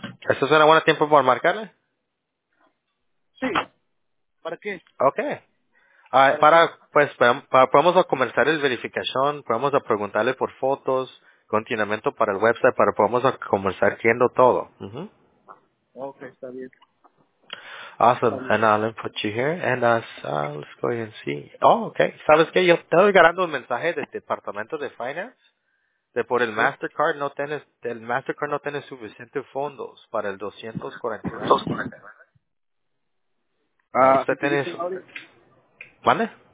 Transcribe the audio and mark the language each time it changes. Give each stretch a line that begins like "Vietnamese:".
Spanish: ¿Eso suena buen tiempo para marcarle? Sí. ¿Para qué?
English: Okay.
Spanish: Para podemos comenzar la verificación, podemos preguntarle por fotos, continuamiento para el website, para podemos comenzar viendo todo. Okay, está bien.
English: Awesome, and I'll put you here, and let's go ahead and see.
Spanish: Oh, okay. ¿Sabes qué? Yo estoy ganando un mensaje del Departamento de Finance de por el MasterCard no tienes suficientes fondos para el 249. ¿Mande?